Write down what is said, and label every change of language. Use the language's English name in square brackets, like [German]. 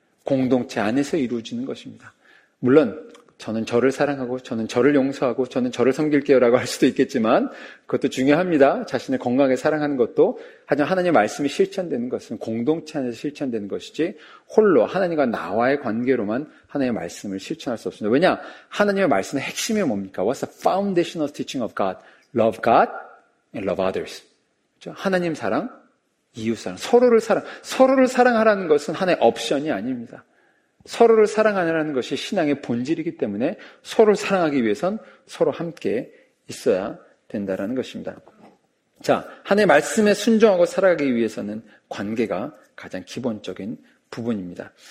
[Korean] 공동체 안에서 이루어지는 것입니다. 물론 저는 저를 사랑하고 저는 저를 용서하고 저는 저를 섬길게요 라고 할 수도 있겠지만 그것도 중요합니다. 자신을 건강하게 사랑하는 것도. 하지만 하나님의 말씀이 실천되는 것은 공동체 안에서 실천되는 것이지 홀로 하나님과 나와의 관계로만 하나님의 말씀을 실천할 수 없습니다. 왜냐? 하나님의 말씀의 핵심이 뭡니까? [English] What's the foundational teaching of God? Love God and love others. [Korean] 하나님 사랑, 이웃 사랑, 서로를 사랑. 서로를 사랑하라는 것은 하나의 옵션이 아닙니다. 서로를 사랑하라는 것이 신앙의 본질이기 때문에 서로를 사랑하기 위해선 서로 함께 있어야 된다는 것입니다. 자, 하나님의 말씀에 순종하고 살아가기 위해서는 관계가 가장 기본적인 부분입니다.